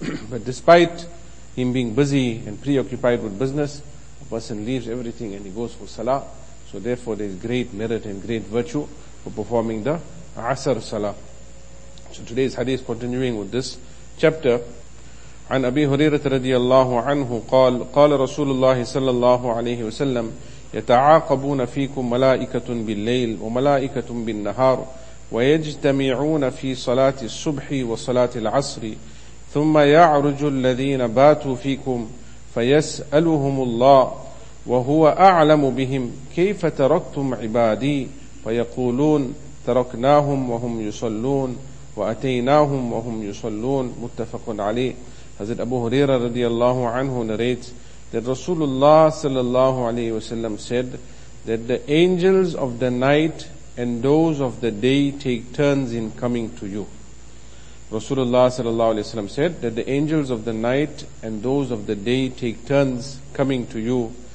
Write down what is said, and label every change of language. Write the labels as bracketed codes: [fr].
[en] But despite him being busy and preoccupied with business, a person leaves everything and he goes for Salah. So therefore there's great merit and great virtue for performing the Asr Salah. So today's hadith continuing with this chapter. [ar] عن أبي هريرة رضي الله عنه قال قال رسول الله صلى الله عليه وسلم يتعاقبون فيكم ملائكة بالليل وملائكة بالنهار ويجتمعون في صلاة الصبح وصلاة العصر ثم يعرج الذين باتوا فيكم فيسألهم الله وهو أعلم بهم كيف تركتم عبادي فيقولون تركناهم وهم يصلون وأتيناهم وهم يصلون متفق عليه. [en] Hazrat Abu Huraira radiallahu anhu narrates that Rasulullah sallallahu alayhi wasallam said that the angels of the night and those of the day take turns in coming to you. Rasulullah sallallahu alayhi wasallam said that the angels of the night and those of the day take turns coming to you.